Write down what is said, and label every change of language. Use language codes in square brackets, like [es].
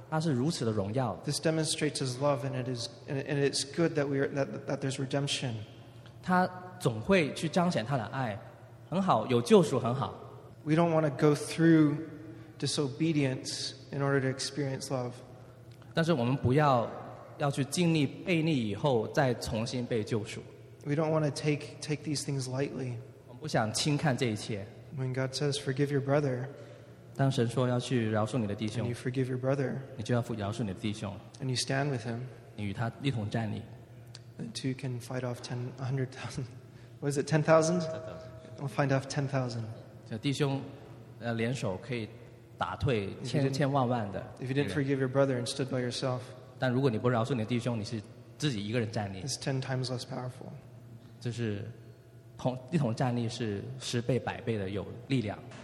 [en] This demonstrates his love, and it's good that that there's redemption. [zh] 他总会去彰显他的爱, 很好, 有救赎, [en] we don't want to go through disobedience in order to experience love. [zh] 但是我们不要去经历悖逆以后, 再重新被救赎。 [en] We don't want to take these things lightly. [zh] 我们不想轻看这一切。 [en] When God says, forgive your brother, [zh] 当神说要去饶恕你的弟兄 [en] and you forgive your brother, [zh] 你就要饶恕你的弟兄 [en] and you stand with him, [zh] 你与他一同站立 [en] the two can fight off 100,000, what is it, 10,000? We'll fight off 10,000. [zh] 这弟兄联手可以打退千千万万的 [en] if you didn't forgive your brother and stood by yourself, [zh] 但如果你不饶恕你的弟兄你是自己一个人站立 [en] it's 10 times less powerful. [zh] 就是同一同站立是十倍百倍的有力量